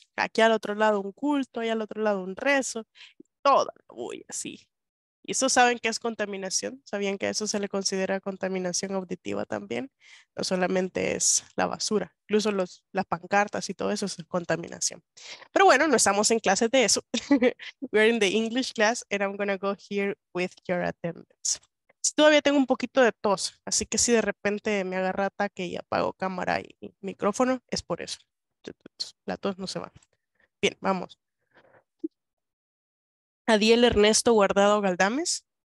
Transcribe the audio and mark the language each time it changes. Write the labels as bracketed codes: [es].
[es] Aquí al otro lado un culto, allá al otro lado un rezo. Toda la bulla, sí. ¿Y eso saben qué es contaminación? ¿Sabían que eso se le considera contaminación auditiva también? No solamente es la basura. Incluso las pancartas y todo eso es contaminación. Pero bueno, no estamos en clases de eso. [en] We're in the English class and I'm gonna go here with your attendance. [es] Todavía tengo un poquito de tos, así que si de repente me agarra ataque y apago cámara y micrófono, es por eso. La tos no se va. Bien, vamos. Adiel Ernesto Guardado Galdames.